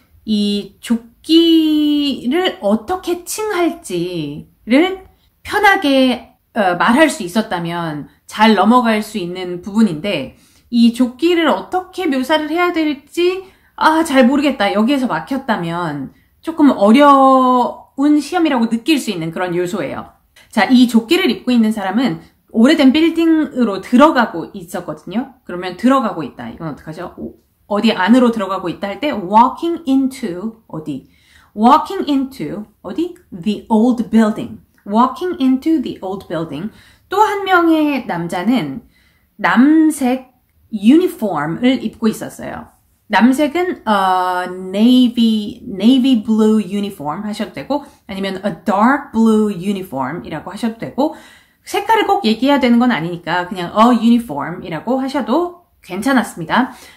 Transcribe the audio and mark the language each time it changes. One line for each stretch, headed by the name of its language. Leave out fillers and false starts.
Korean: 이 조끼를 어떻게 칭할지를 편하게 말할 수 있었다면 잘 넘어갈 수 있는 부분인데, 이 조끼를 어떻게 묘사를 해야 될지 잘 모르겠다, 여기에서 막혔다면 조금 어려운 시험이라고 느낄 수 있는 그런 요소예요. 자, 이 조끼를 입고 있는 사람은 오래된 빌딩으로 들어가고 있었거든요. 그러면 들어가고 있다, 이건 어떡하죠? 어디 안으로 들어가고 있다 할 때
English: walking into
Korean: 어디?
English: walking into 어디? the old building. walking into the old building.
Korean: 또 한 명의 남자는 남색 유니폼을 입고 있었어요. 남색은
English: navy blue uniform
Korean: 하셔도 되고, 아니면
English: a dark blue uniform
Korean: 이라고 하셔도 되고, 색깔을 꼭 얘기해야 되는 건 아니니까 그냥 a uniform이라고 하셔도 괜찮았습니다.